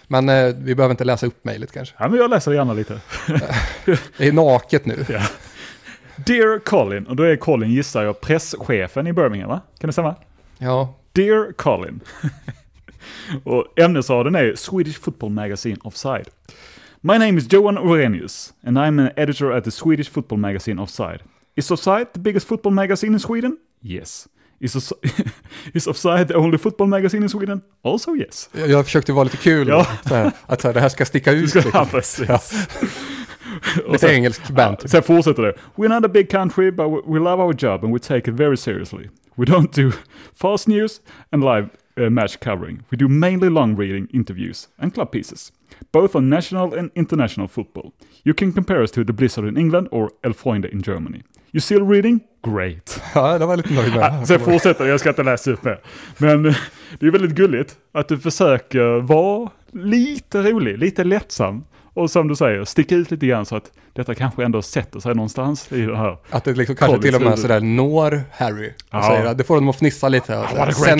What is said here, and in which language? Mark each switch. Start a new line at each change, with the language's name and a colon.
Swedish: Men vi behöver inte läsa upp mejlet kanske. Ja, men jag läser gärna lite. Det är naket nu. Ja.
English: Dear Colin,
Swedish: och då är Colin, gissar jag, presschefen i Birmingham, va? Kan det stämma? Ja.
English: Dear Colin.
Swedish: Och ämnesraden är Swedish Football Magazine Offside.
English: My name is Johan Orenius and I'm an editor at the Swedish Football Magazine Offside. Is Offside the biggest football magazine in Sweden? Yes. Is Offside the only football magazine in Sweden? Also yes.
Swedish: Jag försökte vara lite kul ja. att det här ska sticka ut. Ska, ja, precis. Ja. Och sen, engelsk band. Sen fortsätter det.
English: We're not a big country, but we love our job and we take it very seriously. We don't do fast news and live match covering. We do mainly long reading interviews and club pieces, both on national and international football. You can compare us to the Blizzard in England or El Freunde in Germany. You still reading? Great.
Swedish: Ja, det var lite nöjd med. Sen fortsätter, jag ska inte läsa upp mer. Men det är väldigt gulligt att du försöker vara lite rolig, lite lättsam. Och som du säger, sticka ut lite grann så att detta kanske ändå sätter sig någonstans i det här. Att det liksom kanske till och med sådär når Harry. Och säger, det får de att fnissa lite.